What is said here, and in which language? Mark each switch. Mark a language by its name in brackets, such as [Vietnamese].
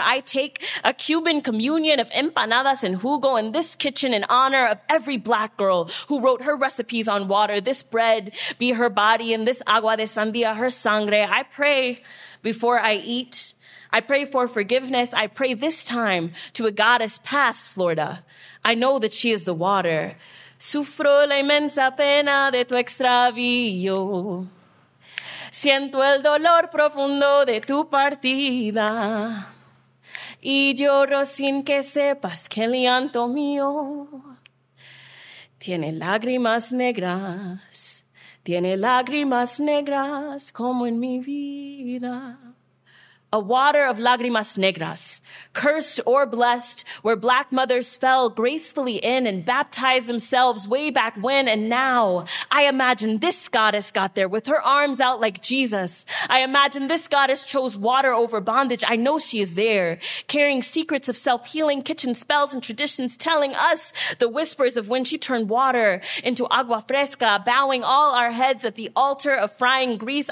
[English] I take a Cuban communion of empanadas and jugo in this kitchen in honor of every black girl who wrote her recipes on water. This bread be her body and this [Spanish] agua de sandía [English] her sangre. I pray before I eat. I pray for forgiveness. I pray this time to a goddess past Florida. I know that she is the water. [Spanish] Sufro la inmensa pena de tu extravío. Siento el dolor profundo de tu partida. Y lloro sin que sepas que el llanto mío tiene lágrimas negras. Tiene lágrimas negras como en mi vida. [English] A water of [Spanish] lágrimas negras, [English] cursed or blessed, where black mothers fell gracefully in and baptized themselves way back when and now. I imagine this goddess got there with her arms out like Jesus. I imagine this goddess chose water over bondage. I know she is there, carrying secrets of self-healing, kitchen spells and traditions, telling us the whispers of when she turned water into agua fresca, bowing all our heads at the altar of frying grease.